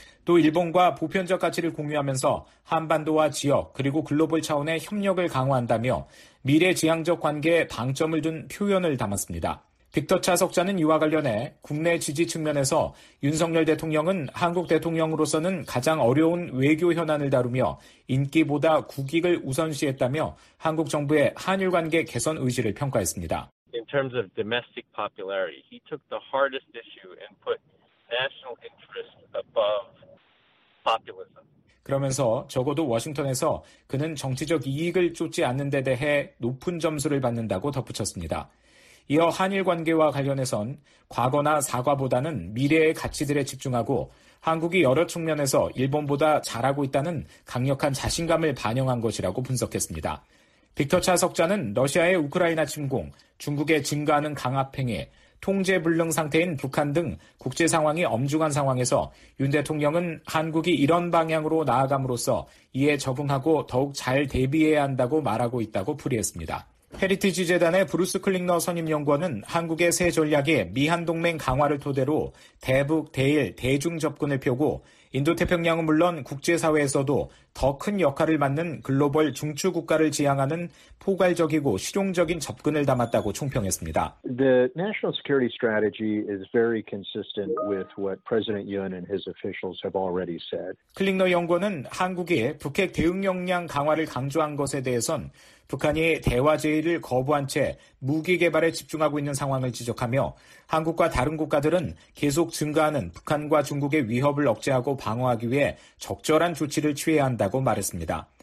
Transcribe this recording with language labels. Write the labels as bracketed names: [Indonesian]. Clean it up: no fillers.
[Korean] 또 일본과 보편적 가치를 공유하면서 한반도와 지역 그리고 글로벌 차원의 협력을 강화한다며 미래지향적 관계에 방점을 둔 표현을 담았습니다. 빅터차 석자는 이와 관련해 국내 지지 측면에서 윤석열 대통령은 한국 대통령으로서는 가장 어려운 외교 현안을 다루며 인기보다 국익을 우선시했다며 한국 정부의 한일 관계 개선 의지를 평가했습니다. [English] In terms of domestic popularity, he took the hardest issue and put national interest above populism. [Korean] 그러면서 적어도 워싱턴에서 그는 정치적 이익을 쫓지 않는 데 대해 높은 점수를 받는다고 덧붙였습니다. 이어 한일 관계와 관련해선 과거나 사과보다는 미래의 가치들에 집중하고 한국이 여러 측면에서 일본보다 잘하고 있다는 강력한 자신감을 반영한 것이라고 분석했습니다. 빅터 차 석자는 러시아의 우크라이나 침공, 중국의 증가하는 강압행위, 통제불능 상태인 북한 등 국제 상황이 엄중한 상황에서 윤 대통령은 한국이 이런 방향으로 나아감으로써 이에 적응하고 더욱 잘 대비해야 한다고 말하고 있다고 풀이했습니다. 헤리티지 재단의 브루스 클링너 선임연구원은 한국의 새 전략이 미한동맹 강화를 토대로 대북, 대일, 대중 접근을 펴고 인도태평양은 물론 국제사회에서도 더 큰 역할을 맡는 글로벌 중추국가를 지향하는 포괄적이고 실용적인 접근을 담았다고 총평했습니다. [English] The national security strategy is very consistent with what President Yun and his officials have already said. [Korean] 클링너 연구원은 한국이 북핵 대응 역량 강화를 강조한 것에 대해선 북한이 대화 제의를 거부한 채 무기 개발에 집중하고 있는 상황을 지적하며 한국과 다른 국가들은 계속 증가하는 북한과 중국의 위협을 억제하고 방어하기 위해 적절한 조치를 취해야 한다고 말했습니다.